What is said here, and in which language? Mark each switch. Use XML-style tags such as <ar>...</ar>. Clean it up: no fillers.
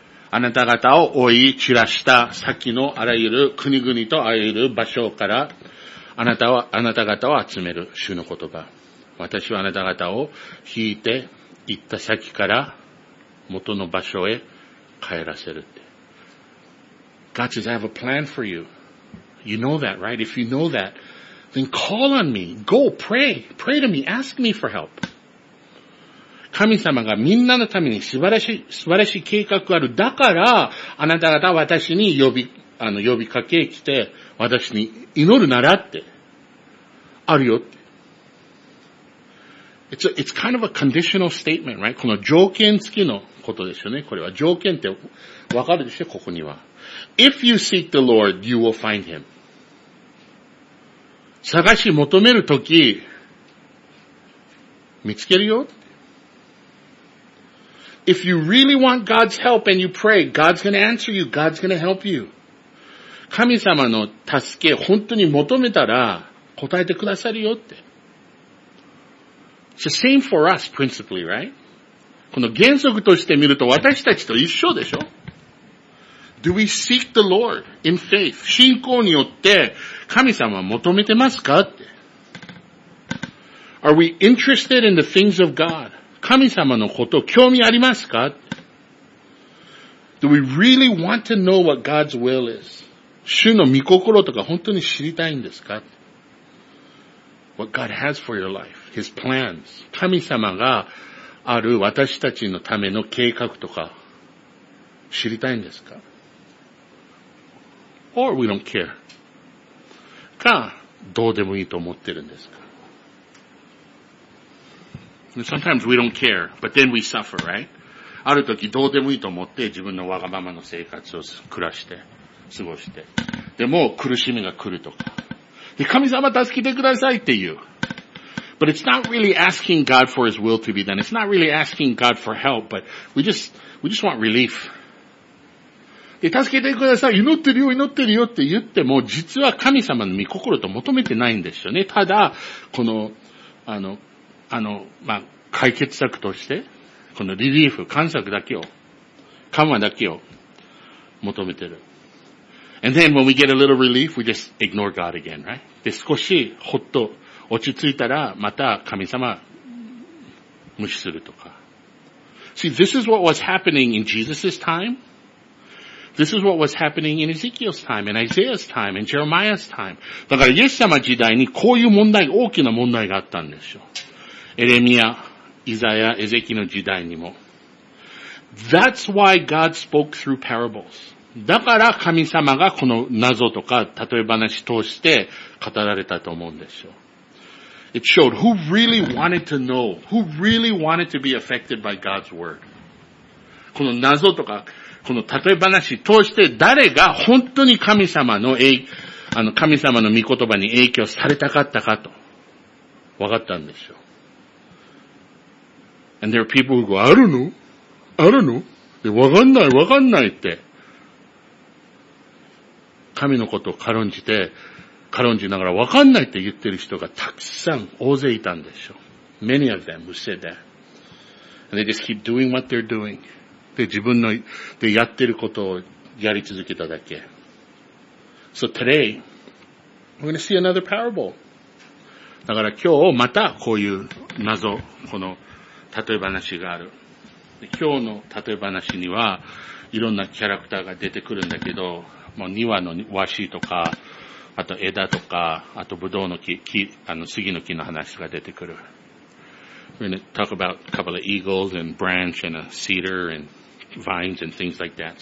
<ja>あなた方を追い散らした先のあらゆる国々とあらゆる場所からあなた方を集める主の言葉。私はあなた方を引いて行った先から元の場所へ帰らせるって。</ja> <en>God says, I have a plan for you. You know that, right? If you know that,Then call on me. Go pray. Pray to me. Ask me for help.</en> <ja>神様がみんなのために素晴らしい計画がある。だから、あなた方は私に呼びかけ来て、私に祈るならって。あるよって。</ja> <en>It's kind of a conditional statement, right?</en> <ja>この条件付きのことですよね。これは条件ってわかるでしょ、ここには。</ja> <en>If you seek the Lord, you will find him.</en> <ja>探し求めるとき、見つけるよ。</ja> <en>If you really want God's help and you pray, God's gonna answer you, God's gonna help you.</en> <ja>神様の助け、本当に求めたら、答えてくださるよって。</ja> <en>It's the same for us, principally, right?</en> <ja>この原則として見ると、私たちと一緒でしょ。</ja> <en>Do we seek the Lord in faith?</en> <ja>信仰によって神様は求めてますかって。</ja> <en>Are we interested in the things of God?</en> <ja>神様のこと興味ありますかって。</ja> <en>Do we really want to know what God's will is?</en> <ja>主の御心とか本当に知りたいんですかって。</ja> <en>What God has for your life, His plans.</en> <ja>神様がある私たちのための計画とか知りたいんですか?</ja> <en>Or we don't care.</en> <ja>か、どうでもいいと思ってるんですか。</ja> <en>And sometimes we don't care, but then we suffer, right?</en> <ja>ある時どうでもいいと思って自分のわがままの生活を暮らして、過ごして。でも苦しみが来るとか。で、神様助けてくださいっていう。</ja> <en>But it's not really asking God for His will to be done. It's not really asking God for help, but we just want relief.</en> <ja>で、助けてください。祈ってるよ、祈ってるよって言っても、実は神様の御心と求めてないんですよね。ただ、この、まあ、解決策として、このリリーフ、感謝だけを、緩和だけを、求めてる。</ja> <en>And then when we get a little relief, we just ignore God again, right?</en> <ja>で、少しほっと落ち着いたらまた神様無視するとか。</ja> <en>See, this is what was happening in Jesus' time. This is what was happening in Ezekiel's time, in Isaiah's time, in Jeremiah's time.</en> <ja>だからイエス様時代にこういう問題、大きな問題があったんですよ。エレミア、イザヤ、エゼキの時代にも。</ja> <en>That's why God spoke through parables.</en> <ja>だから神様がこの謎とか例え話通して語られたと思うんですよ。</ja> <en>It showed who really wanted to know, who really wanted to be affected by God's word.</en> <ja>この謎とか、この例え話通して誰が本当に神様の神様の御言葉に影響されたかったかと、わかったんですよ。</ja> <en>And there are people who go,</en> <ja>あるの?あるの? で、わかんない、わかんないって。神のことを軽んじて、軽んじながらわかんないって言ってる人がたくさん大勢いたんでしょ。</ja> <en>Many of them, who said that. And they just keep doing what they're doing.</en> <ja>で、自分の、で、やってることをやり続けただけ。</ja> <en>So today, we're gonna see another parable.</en> <ja>だから今日またこういう謎、この、例え話がある。で、今日の例え話には、いろんなキャラクターが出てくるんだけど、もう庭の和紙とか、あと枝とか、あとブドウの木、杉の木の話が出てくる。</ja> <en>We're gonna talk about a couple of eagles and branch and a cedar and vines and things like that.</en>